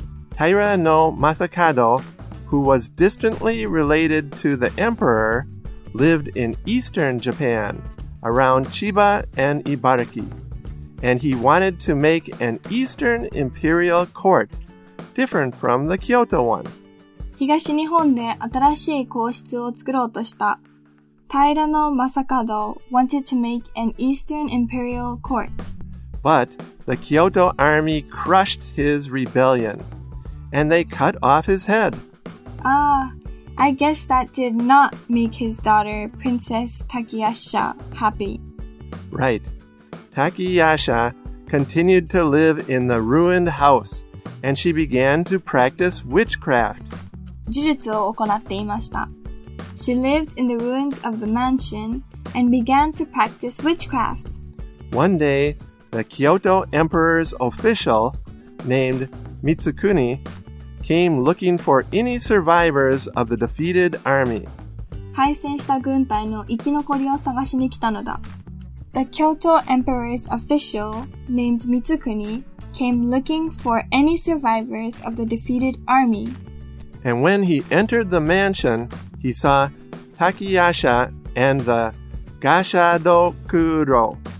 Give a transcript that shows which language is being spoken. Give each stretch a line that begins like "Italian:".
English: Taira no Masakado, who was distantly related to the emperor, lived in eastern Japan, around Chiba and Ibaraki. And he wanted to make an eastern imperial court, different from the Kyoto one.
Japanese: 東日本で新しい皇室を作ろうとした。
English: Taira no Masakado wanted to make an eastern imperial court. But the Kyoto army crushed his rebellion, and they cut off his head. Ah, I guess that did not make his daughter, Princess Takuyasha, happy. Right. Takuyasha continued to live in the ruined house, and she began to practice witchcraft.
Japanese: 呪術を行っていました。
English: She lived in the ruins of the mansion and began to practice witchcraft. One day, the Kyoto Emperor's official, named Mitsukuni, came looking for any survivors of the defeated army.
Japanese: 敗戦した軍隊の生き残りを探しに来たのだ。
English: The Kyoto Emperor's official, named Mitsukuni, came looking for any survivors of the defeated army. And when he entered the mansion, he saw Takuyasha and the gashadokuro.